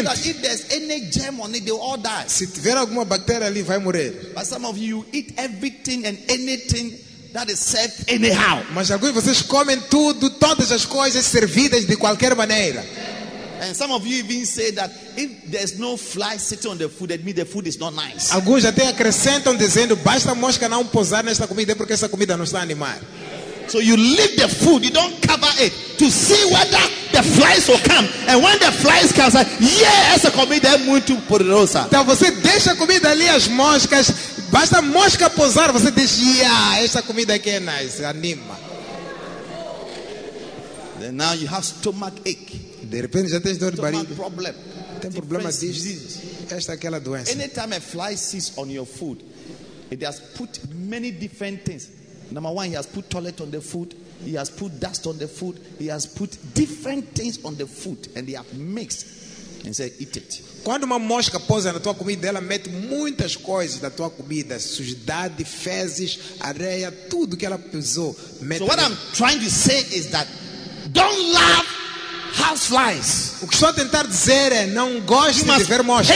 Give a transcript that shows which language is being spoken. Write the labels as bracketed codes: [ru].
[en] Because if there's any germ on it, they all die. [pt] Se tiver alguma bactéria ali, vai morrer. [en] But some of you eat everything and anything that is served anyhow. [pt] Mas alguns vocês comem tudo, todas as coisas servidas de qualquer maneira. [en] And some of you even say that if there's no fly sitting on the food, that means the food is not nice. [pt] Alguns até acrescentam dizendo basta mosca não pousar nesta comida porque essa comida não está animada. [en] So you leave the food, you don't cover it to see whether the flies will come. And when the flies come, say, yeah, [pt] essa comida é muito poderosa. Então você deixa a comida ali as moscas, basta a mosca pousar, você diz, yeah, essa comida aqui é nice, anima. [en] Then now you have stomach ache. [pt] De repente já tens dor de barriga. [en] Problem. [pt] Tem problema disso. Esta é aquela doença. [en] Anytime a fly sits on your food, it has put many different things. Number one, he has put toilet on the food. He has put dust on the food. He has put different things on the food, and they have mixed and said, eat it. [pt] Quando uma mosca pousa na tua comida, ela mete muitas coisas na tua comida, sujidade, fezes, areia, tudo que ela pisou. [en] So what I'm trying to say is that don't love house flies. [pt] O que estou a tentar dizer é não goste de ver moscas.